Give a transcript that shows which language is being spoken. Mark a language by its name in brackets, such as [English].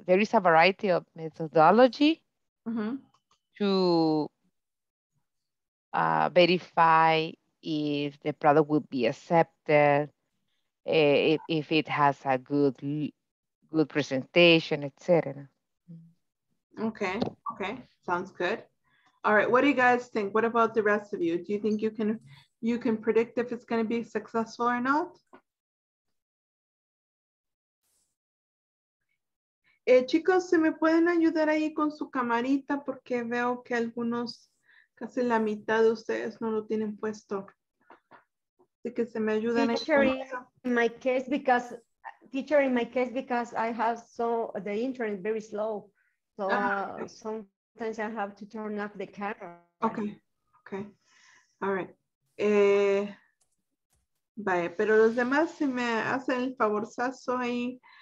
[English] There is a variety of methodology to verify if the product will be accepted, if it has a good presentation, etc. Okay. Okay. Sounds good. All right. What do you guys think? What about the rest of you? Do you think you can predict if it's going to be successful or not? [Spanish] Chicos, ¿se me pueden ayudar ahí con su camarita? Porque veo que algunos, casi la mitad de ustedes no lo tienen puesto. Así que se me ayudan. [English] Teacher, in my case, because I have the internet very slow. So sometimes I have to turn off the camera. Okay. All right. [Spanish] Vaya, pero los demás se me hacen el favorzazo ahí.